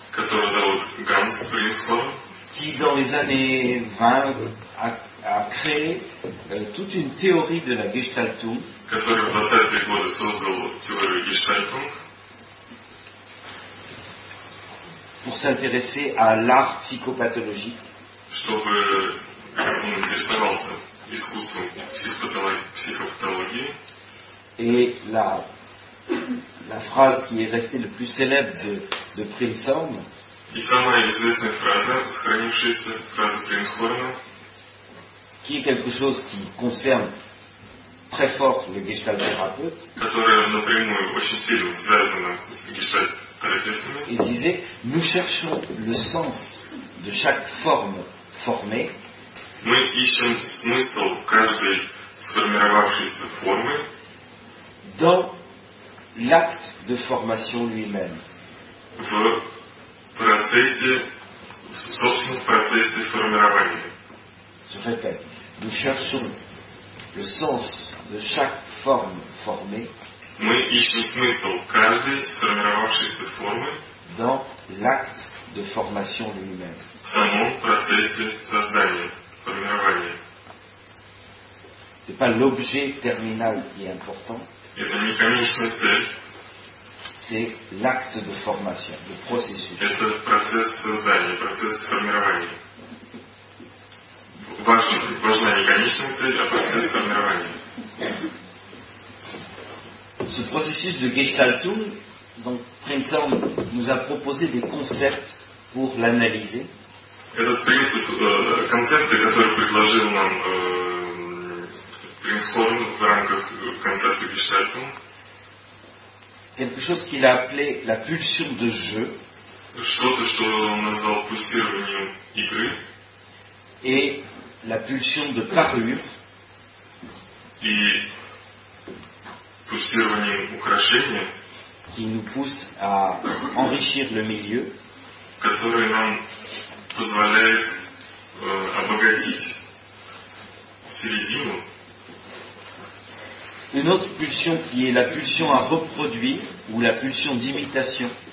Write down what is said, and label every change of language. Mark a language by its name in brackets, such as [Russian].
[Russian] которого зовут Ганс Принцхорн, [French] qui dans les années 20 a créé toute une théorie de la Gestaltung, [Russian] который в 20-е годы создал теорию Gestaltung, [French] pour s'intéresser à l'art psychopathologique, [Russian] чтобы он интересовался искусством психопатологии, [French] et là. La phrase qui est restée le plus célèbre de Prinzhorn. [Russian] И самая известная фраза, сохранившаяся фраза Принцхорна. [French] Qui est quelque chose qui concerne très fort le gestalt-thérapeute. [Russian] Которая напрямую очень сильно связана с гештальт-терапевтами. [French] Il disait, nous cherchons le sens de chaque forme formée. [Russian] Мы ищем смысл каждой сформировавшейся формы. [French] Dans l'acte de formation lui-même. [Russian] В процессе формирования. [French] Je répète, nous cherchons le sens de chaque forme formée. [Russian] Мы ищем смысл каждой сформировавшейся формы. [French] Dans l'acte de formation lui-même. [Russian] В самом процессе создания, формирования. [French] C'est pas l'objet terminal qui est important. [Russian] Это не конечная цель. [French] C'est l'acte de formation, le processus. [Russian] Это процесс создания, процесс формирования. Важна не конечная цель, а процесс формирования. [French] Ce processus de Gestaltung, donc Prinzhorn nous a proposé des concepts pour l'analyser. [Russian] этот принцип концепции, который предложил нам принц Хорн в рамках концепта Гештальта, [French] quelque chose qu'il a appelé la pulsion de jeu, [Russian] что-то, что он назвал пульсированием игры, [French] et la pulsion de parure, [Russian] и пульсированием украшения, [French] qui nous pousse à enrichir le milieu, [Russian] который нам позволяет обогатить середину. [French] Une autre pulsion qui est la pulsion à reproduire ou la pulsion d'imitation.